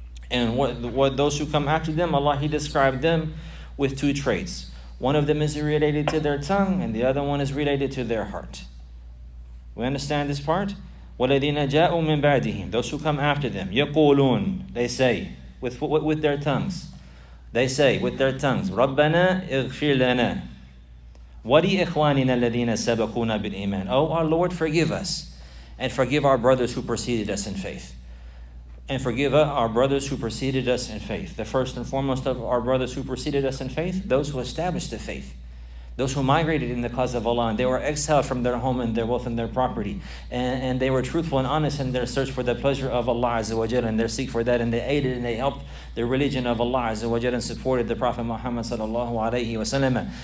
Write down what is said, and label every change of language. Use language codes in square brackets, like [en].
[en] And what those who come after them, Allah, He described them with two traits. One of them is related to their tongue, and the other one is related to their heart. We understand this part? [ar] وَالَّذِينَ جَاءُوا مِنْ بَعْدِهِمْ, [en] those who come after them. يَقُولُونَ, they say, with their tongues. They say with their tongues, [ar] رَبَّنَا اغْفِرْ لَنَا وَلِإِخْوَانِنَا الَّذِينَ سَبَقُونَا بِالْإِيمَانِ. [en] Oh, our Lord, forgive us, and forgive our brothers who preceded us in faith. And forgive our brothers who preceded us in faith. The first and foremost of our brothers who preceded us in faith, those who established the faith, those who migrated in the cause of Allah, and they were exiled from their home and their wealth and their property, and they were truthful and honest in their search for the pleasure of Allah Azza wa Jalla, and their seek for that, and they aided and they helped the religion of Allah Azza wa Jalla, and supported the Prophet Muhammad sallallahu alayhi wa sallam.